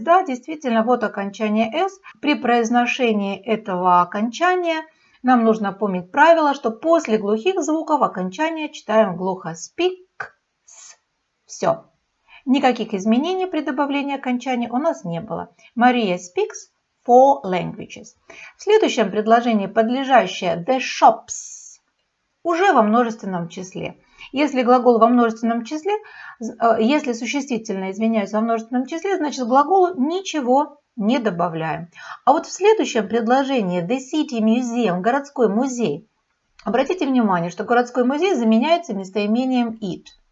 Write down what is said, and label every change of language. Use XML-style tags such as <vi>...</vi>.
<ru>Да, действительно, вот окончание s. При произношении этого окончания нам нужно помнить правило, что после глухих звуков окончания читаем глухо speak. Все. Никаких изменений при добавлении окончания у нас не было.</ru> <en>Maria speaks four languages.</en> <ru>В следующем предложении подлежащее the shops уже во множественном числе. Если глагол во множественном числе, если существительное, извиняюсь, во множественном числе, значит глаголу ничего не добавляем. А вот в следующем предложении the city museum, городской музей, обратите внимание, что городской музей заменяется местоимением it.</ru>